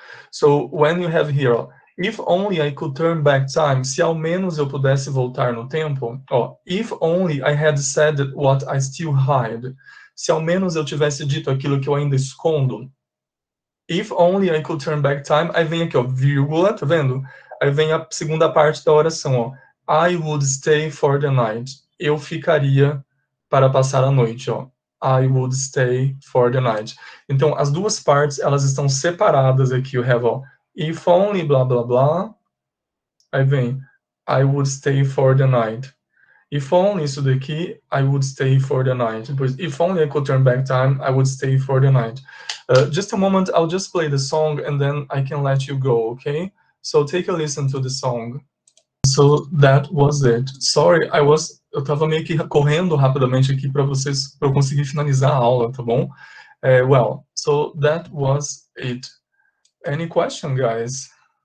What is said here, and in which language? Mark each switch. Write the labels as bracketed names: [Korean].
[English] So, when you have here, ó, if only I could turn back time, [Portuguese] se ao menos eu pudesse voltar no tempo, [English] ó, if only I had said what I still hide, [Portuguese] se ao menos eu tivesse dito aquilo que eu ainda escondo, [English] if only I could turn back time, [Portuguese] aí vem aqui, ó, vírgula, tá vendo? Aí vem a segunda parte da oração, ó, [English] I would stay for the night, [Portuguese] eu ficaria para passar a noite, ó, I would stay for the night. Então, as duas partes, elas estão separadas aqui, o have, ó. [English] If only, blá, blá, blá. [Portuguese] Aí vem, [English] I would stay for the night. If only, [Portuguese] isso daqui, [English] I would stay for the night. Depois, if only I could turn back time, I would stay for the night. Just a moment, I'll just play the song and then I can let you go, okay? So, take a listen to the song. So, that was it. Sorry, I was... [Portuguese] Eu tava meio que correndo rapidamente aqui para vocês, para eu conseguir finalizar a aula, tá bom? [English] Well, so that was it. Any question, guys?